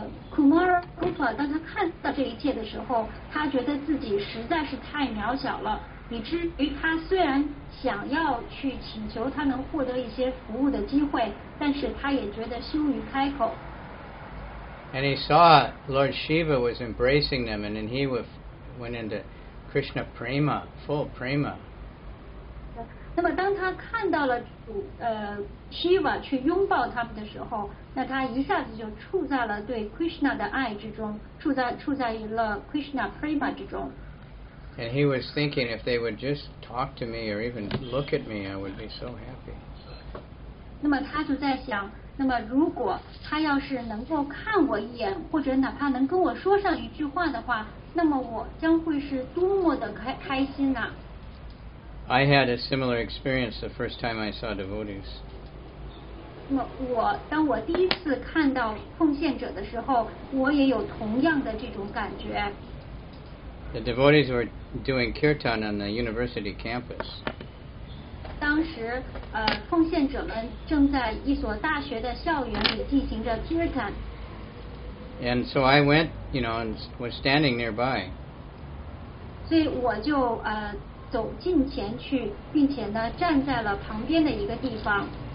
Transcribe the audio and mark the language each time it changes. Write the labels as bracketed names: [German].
[Chinese] Kumara Rupa, 当他看到这一切的时候, 他觉得自己实在是太渺小了，以至于他虽然想要去请求他能获得一些服务的机会, 但是他也觉得羞于开口。 [English] And he saw Lord Shiva was embracing them, and then he went into Krishna Prema, full Prema. [Chinese] 那么当他看到了Shiva去拥抱他们的时候, 那他一下子就处在了对Krishna的爱之中，处在了Krishna Prema之中。 [English] And he was thinking, if they would just talk to me or even look at me, I would be so happy. [Chinese] 那么他就在想, 那么如果他要是能够看我一眼，或者哪怕能跟我说上一句话的话, 那么我将会是多么的开心啊。 [English] I had a similar experience the first time I saw devotees. [Chinese] 当我第一次看到奉献者的时候，我也有同样的这种感觉。 [English] The devotees were doing kirtan on the university campus. [Chinese] 当时，奉献者们正在一所大学的校园里进行着 kirtan. [English] And so I went, you know, and was standing nearby. [Chinese] 所以我就, 走近前去，并且呢，站在了旁边的一个地方。